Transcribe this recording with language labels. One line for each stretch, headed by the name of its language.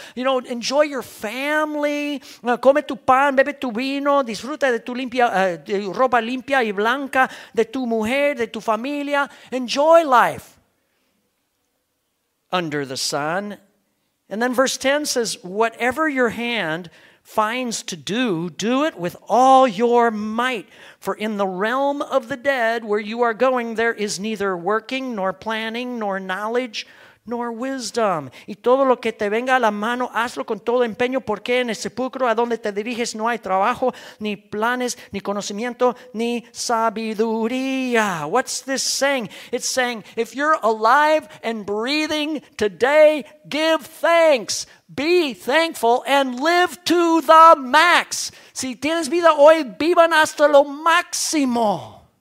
English: You know, enjoy your family.
Spanish: Come tu pan, bebe tu vino, disfruta de tu limpia, de ropa limpia y blanca, de tu mujer, de tu familia.
English: Enjoy life under the sun. And then verse 10 says, whatever your hand finds to do, do it with all your might. For in the realm of the dead, where you are going, there is neither working, nor planning, nor knowledge, nor wisdom.
Spanish: Y todo lo que te venga a la mano, hazlo con todo empeño, porque en el sepulcro a donde te diriges no hay trabajo, ni planes, ni conocimiento, ni sabiduría.
English: What's this saying? It's saying, if you're alive and breathing today, give thanks. Be thankful and live to the max.
Spanish: Si tienes vida hoy, vivan hasta lo máximo.